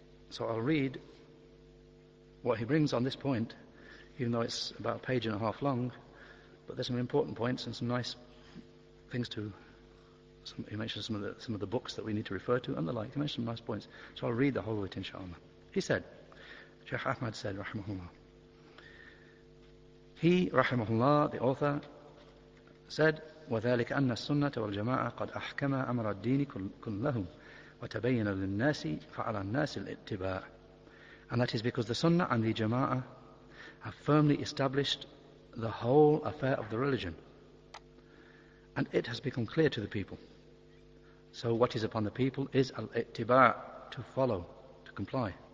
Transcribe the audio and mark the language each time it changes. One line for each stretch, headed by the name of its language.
English: So I'll read what he brings on this point, even though it's about a page and a half long. But there's some important points and some nice things to he mentioned some of the books that we need to refer to and the like. He mentioned some nice points. So I'll read the whole of it, inshallah. He said, Sheikh Ahmad said, rahimahullah. He, rahimahullah, the author, said,
Arabic: وَذَلِكَ أَنَّ السُّنَّةَ وَالْجَمَاعَةَ قَدْ أَحْكَمَا أَمْرَ الدِّينِ كُلَّهُمْ وَتَبَيَّنَ لِلنَّاسِ فَعَلَى النَّاسِ الْإِتِّبَاعِ.
English: And that is because the Sunnah and the Jama'ah have firmly established the whole affair of the religion. And it has become clear to the people. So what is upon the people is al-ittiba', to follow, to comply.